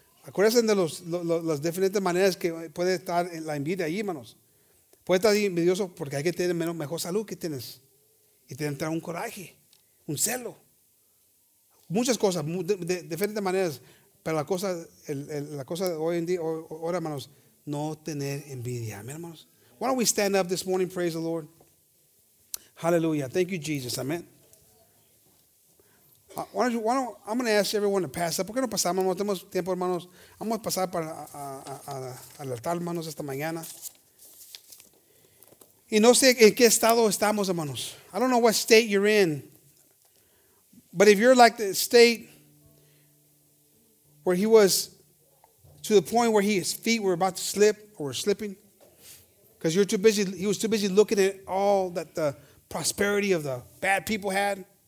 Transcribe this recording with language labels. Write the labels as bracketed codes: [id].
[es] Acuérdense de las diferentes maneras que puede estar en la envidia ahí, hermanos. Puede estar envidioso porque alguien tiene mejor salud que tienes y te entra un coraje, un celo. Muchas cosas, de diferentes maneras. Pero la cosa hoy en día, ahora, hermanos, no tener envidia. Amen, hermanos. [en] Why don't we stand up this morning, praise the Lord. Hallelujah. Thank you, Jesus. Amen. I'm going to ask everyone to pass up. [es] ¿Por qué no pasamos, hermanos? Tenemos tiempo, hermanos. Vamos a pasar para al altar, hermanos, esta mañana. Y no sé en qué estado estamos, hermanos. [en] I don't know what state you're in. But if you're like the state where he was to the point where his feet were about to slip or were slipping, because you're too busy, he was too busy looking at all that the prosperity of the bad people had.